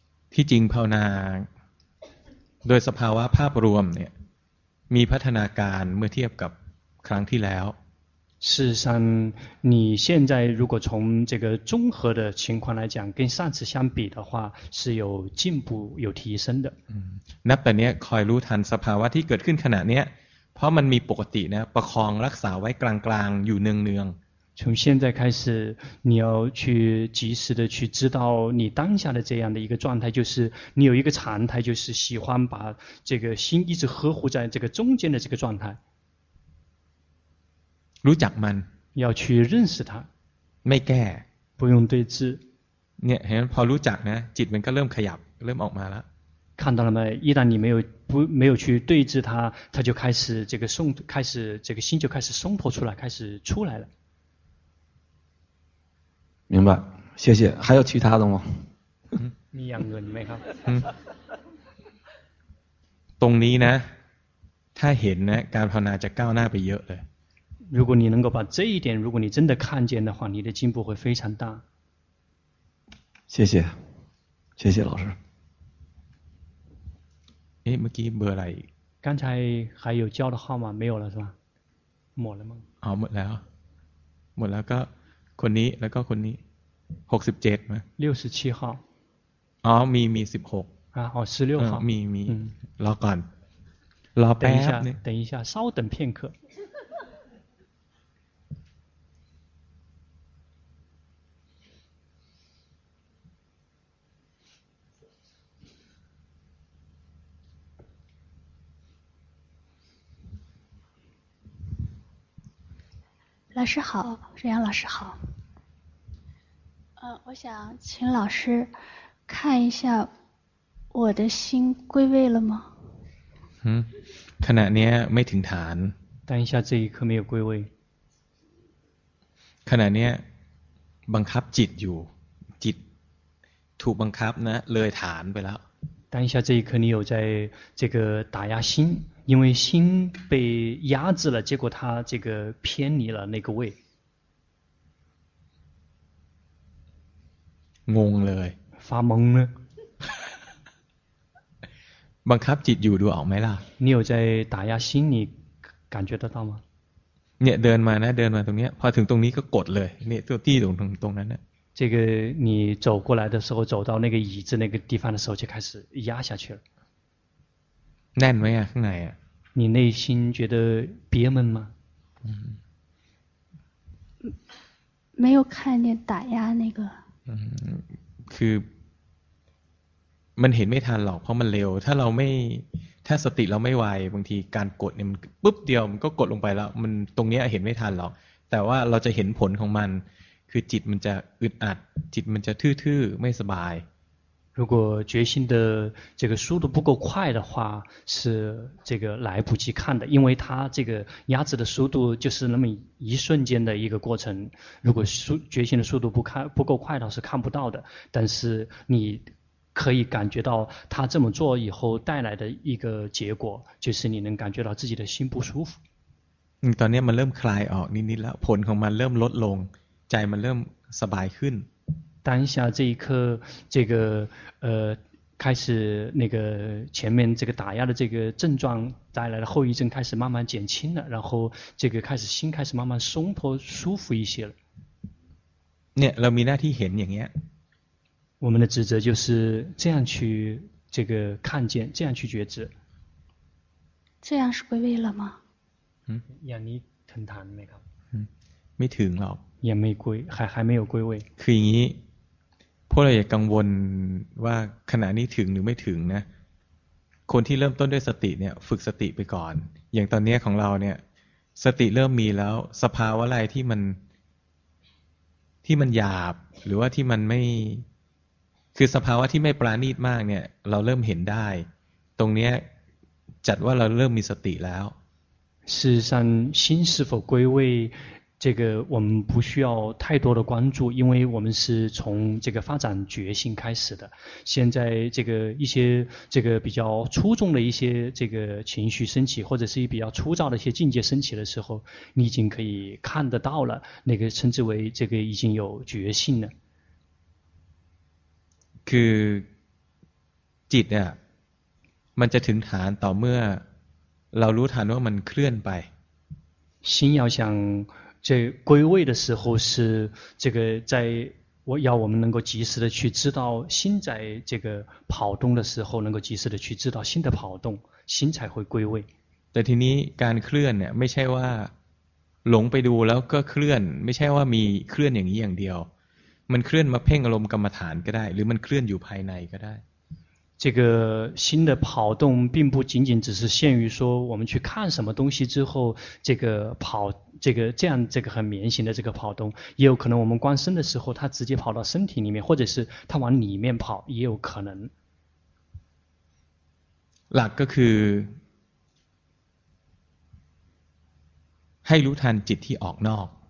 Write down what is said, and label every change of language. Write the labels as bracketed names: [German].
[Thai] ที่จริงภาวนาโดยสภาวะภาพรวมเนี่ยมีพัฒนาการเมื่อเทียบกับครั้งที่แล้ว [Chinese] 事实上你现在如果从这个综合的情况来讲跟上次相比的话是有进步有提升的 [Thai] นับแต่เนี้ยคอยรู้ทันสภาวะที่เกิดขึ้นขณะเนี้ยเพราะมันมีปกตินะประคองรักษาไว้กลางๆอยู่เนือง [Chinese] ๆ从现在开始你要去及时的去知道你当下的这样的一个状态就是你有一个常态就是喜欢把这个心一直呵护在这个中间的这个状态 [Thai] รู้จักมัน [Chinese] 要去认识它 [Thai] ไม่แก้ [Chinese] 不用对峙 [Thai] เนี่ยเห็นพอรู้จักนะจิตมันก็เริ่มขยับเริ่มออกมาแล้ว [Chinese] 看到了没一旦你没有去对峙它它就开始这个松开始这个心就开始松脱出来开始出来了明白谢谢还有其他的吗你养个你没看 [Thai] ตรงนี้นะถ้าเห็นนะการภาวนาจะก้าวหน้าไปเยอะเลย [Chinese] 如果你能够把这一点如果你真的看见的话你的进步会非常大谢谢老师 [Thai] เมื่อกี้เบอร์อะไร [Chinese] 刚才还有叫的号码没有了是吧 [Thai] หมดแล้วมั้ง อ๋อหมดแล้วก็คนนี้แล้วก็คนนี้67มั้ย [Chinese] 67号 [Thai] อ๋อมี16 อ่ะอ๋อ16号 มีรอก่อนรอแป๊บนึง [Chinese] 等一下稍等片刻老师好，沈阳老师好。我想请老师看一下我的心归位了吗？ [Thai] ขณะนี้ไม่ถึงฐาน。 [Chinese] 当下这一刻没有归位。 [Thai] ขณะนี้บังคับจิตอยู่จิตถูกบังคับนะเลยฐานไปแล้ว [Chinese] 当下这一刻你有在这个打压心因为心被压制了结果它这个偏离了那个位 [Thai] งงเลย [Chinese] 发懵了 [Thai] บังคับจิตอยู่ดูออกไหมล่ะ [Chinese] 你有在打压心你感觉得到吗 [Thai] เนี่ยเดินมานะเดินมาตรงนี้พอถึงตรงนี้ก็กดเลยเนี่ยตัวที่ตรงนั้นนะ [Chinese] 这个你走过来的时候走到那个椅子那个地方的时候就开始压下去了 [Thai] แน่นไหมอ่ะข้างในอ่ะ [Chinese] 你内心觉得憋闷吗没有看见打压那个 [Thai] คือมันเห็นไม่ทันหรอกเพราะมันเร็วถ้าเราไม่ถ้าสติเราไม่ไวบางทีการกดเนี่ยมันปุ๊บเดียวมันก็กดลงไปแล้วมันตรงนี้เห็นไม่ทันหรอกแต่ว่าเราจะเห็นผลของมันคือจิตมันจะอึดอัดจิตมันจะทื่อๆไม่สบาย [Chinese] 如果决心的这个速度不够快的话是这个来不及看的因为它这个压制的速度就是那么一瞬间的一个过程如果决心的速度不够快的话是看不到的但是你可以感觉到他这么做以后带来的一个结果就是你能感觉到自己的心不舒服 [Thai] ตอนนี้มันเริ่มคลายออกนิดๆแล้วผลของมันเริ่มลดลงใจมันเริ่มสบายขึ้น [Chinese] 当下这一刻这个开始那个前面这个打压的这个症状带来的后遗症开始慢慢减轻了然后这个开始心开始慢慢松脱舒服一些了 [Thai] เนี่ยเรามีหน้าที่เห็นอย่างเงี้ย [Chinese] 我们的职责就是这样去这个看见这样去觉知这样是归位了吗 [Thai] อย่างนี้ถึงฐานไหมครับ ไม่ถึงหรอก [Chinese] 也没归还没有归位 [Thai] คืออย่างนี้พวกเราอย่ากังวลว่าขณะนี้ถึงหรือไม่ถึงนะคนที่เริ่มต้นด้วยสติเนี่ยฝึกสติไปก่อนอย่างตอนนี้ของเราเนี่ยสติเริ่มมีแล้วสภาวะอะไรที่มันหยาบหรือว่าที่มันไม่คือสภาวะที่ไม่ปราณีตมากเนี่ยเราเริ่มเห็นได้ตรงนี้จัดว่าเราเริ่มมีสติแล้ว [Chinese] 事实上心是否归位这个我们不需要太多的关注因为我们是从这个发展觉性开始的现在这个一些这个比较粗重的一些这个情绪升起或者是比较粗糙的一些境界升起的时候你已经可以看得到了那个称之为这个已经有觉性了 [Thai] คือจิตเนี่ยมันจะถึงฐานต่อเมื่อเรารู้ฐานว่ามันเคลื่อนไป [Chinese] 心要想这归位的时候是这个在我要我们能够及时的去知道心在这个跑动的时候能够及时的去知道心的跑动心才会归位 [Thai] แต่ทีนี้การเคลื่อนเนี่ยไม่ใช่ว่าหลงไปดูแล้วก็เคลื่อนไม่ใช่ว่ามีเคลื่อนอย่างนี้อย่างเดียวมันเคลื่อนมาเพ่งอารมณ์กรรมฐานก็ได้หรือมันเคลื่อนอยู่ภายในก็ได้ [Chinese] 这个心的跑动并不仅仅只是限于说我们去看什么东西之后这个跑这个这样这个很绵行的这个跑动也有可能我们观身的时候它直接跑到身体里面或者是它往里面跑也有可能 [Thai] หลักก็คือให้รู้ทันจิตที่ออกนอก